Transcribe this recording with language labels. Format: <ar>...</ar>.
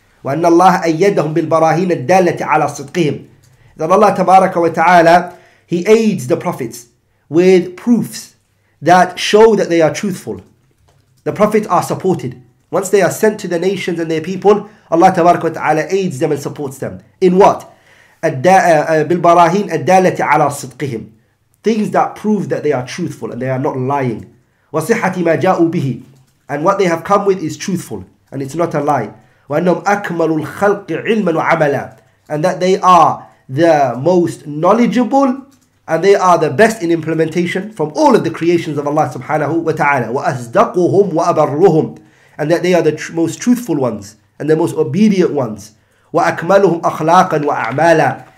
<ar>وَأَنَّ اللَّهَ أَيَّدَهُمْ بِالْبَرَاهِينَ الدَّالَّةِ عَلَى صِدْقِهِمْ.</ar> <en>That Allah</en> <ar>تَبَارَكَ وَتَعَالَى,</ar> <en>he aids the prophets with proofs that show that they are truthful. The prophets are supported. Once they are sent to the nations and their people, Allah tabarak wa ta'ala aids them and supports them. In what?</en> <ar>بالبراهين الدالة على صدقهم.</ar> <en>Things that prove that they are truthful and they are not lying.</en> <ar>وصحة ما جاءوا به.</ar> <en>And what they have come with is truthful and it's not a lie.</en> <ar>وأنهم أكمل الخلق علما وعملا.</ar> <en>And that they are the most knowledgeable and they are the best in implementation from all of the creations of Allah subhanahu wa ta'ala.</en> <ar>وَأَصْدَقُهُمْ وَأَبَرُّهُمْ.</ar> <en>And that they are the most truthful ones and the most obedient ones.</en> <ar>وَأَكْمَلُهُمْ أَخْلَاقًا وَأَعْمَالًا.</ar>